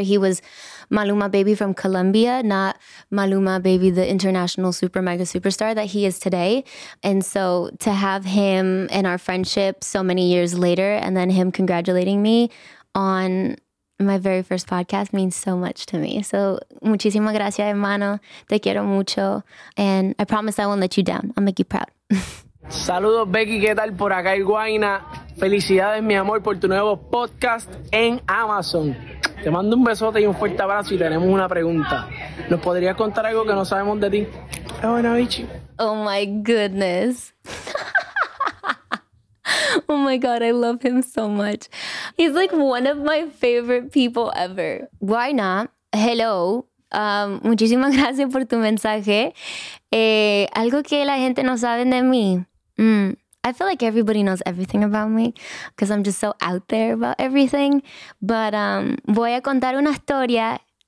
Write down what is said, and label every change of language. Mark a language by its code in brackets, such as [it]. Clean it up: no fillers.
[en] He was Maluma baby from Colombia, not Maluma baby, the international super mega superstar that he is today. And so to have him in our friendship so many years later, and then him congratulating me on my very first podcast means so much to me. [es] So, muchísimas gracias, hermano. Te quiero mucho. [en] And I promise I won't let you down. I'll make you proud. [es] Saludos, Becky. ¿Qué tal? Por acá el Guayna. Felicidades, mi amor, por tu nuevo podcast en Amazon. Te mando un besote y un fuerte abrazo y tenemos una pregunta. ¿Nos podrías contar algo que no sabemos de ti? [en] Oh, my goodness. Oh, my God. I love him so much. He's like one of my favorite people ever. Guayna, hello. [es] Muchísimas gracias por tu mensaje. Algo que la gente no sabe de mí. [en] I feel like everybody knows everything about me because I'm just so out there about everything. [es] But voy a contar una historia.